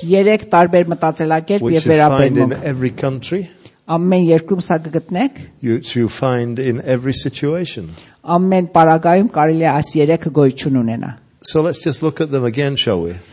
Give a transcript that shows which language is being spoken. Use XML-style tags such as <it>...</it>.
<hy>Երեք տարբեր մտածելակերպ եւ վերաբերմունք։</hy> <en>Which you find in every country.</en> <hy>Ամեն երկրում սա կգտնեք։</hy> <en>Which you find in every situation.</en> <hy>Ամեն պարագայում կարելի է այս երեքը գոյություն ունենա։</hy> <en>So let's just look at them again, shall we?</en>